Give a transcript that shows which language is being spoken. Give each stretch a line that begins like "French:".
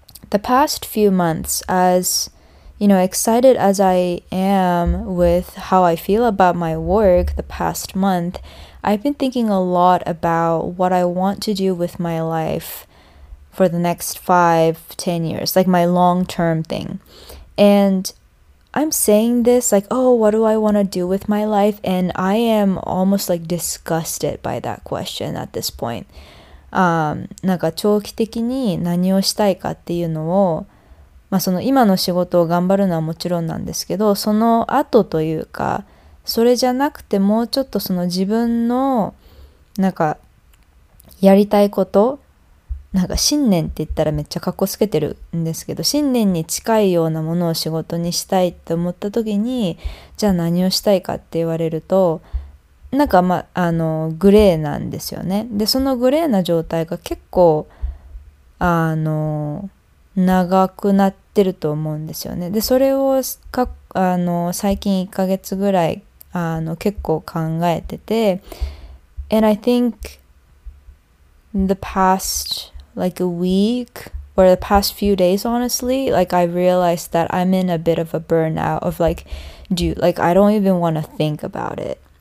English: The past few months, as you know, excited as I am with how I feel about my work the past month, I've been thinking a lot about what I want to do with my life for the next 5-10 years, like my long-term thing. And I'm saying this like, oh, what do I want to do with my life? And I am almost like disgusted by that question at this point.
Japanese: なんか長期的に何をしたいかっていうのを、まあ、その今の仕事を頑張るのはもちろんなんですけど、その後というか、それじゃなくてもうちょっとその自分のなんかやりたいこと、なんか信念って言ったらめっちゃかっこつけてるんですけど、信念に近いようなものを仕事にしたいって思った時に、じゃあ何をしたいかって言われると、なんかまあのグレーなんですよね。でそのグレーな状態が結構長くなってると思うんですよね。でそれをか最近1ヶ月ぐらい結構考えてて、
English: And I think the past like a week or the past few days, honestly, like I realized that I'm in a bit of a burnout of like, dude, like I don't even want to think about it.